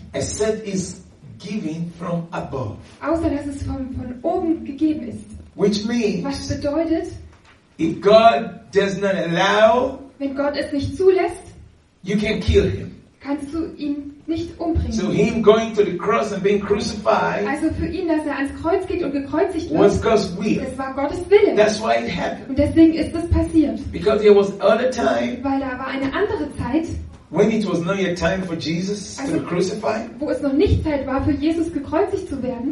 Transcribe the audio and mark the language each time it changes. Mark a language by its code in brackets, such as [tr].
[en] Except it's given from above. [de] Außer dass es von oben gegeben ist. [en] Which means, [de] was bedeutet, [en] if God does not allow, [de] wenn Gott es nicht zulässt, [en] you can kill him. [de] Kannst du ihn nicht umbringen. [en] So him going to the cross and being crucified, [de] also für ihn, dass er ans Kreuz geht und gekreuzigt wird, [en] was God's will. [de] Es war Gottes Wille. [en] That's why it happened. [de] Und deswegen ist das passiert. [en] Because there was other time, [de] weil da war eine andere Zeit, [en] when it was not yet time for Jesus, also, to be crucified, [de] wo es noch nicht Zeit war, für Jesus gekreuzigt zu werden,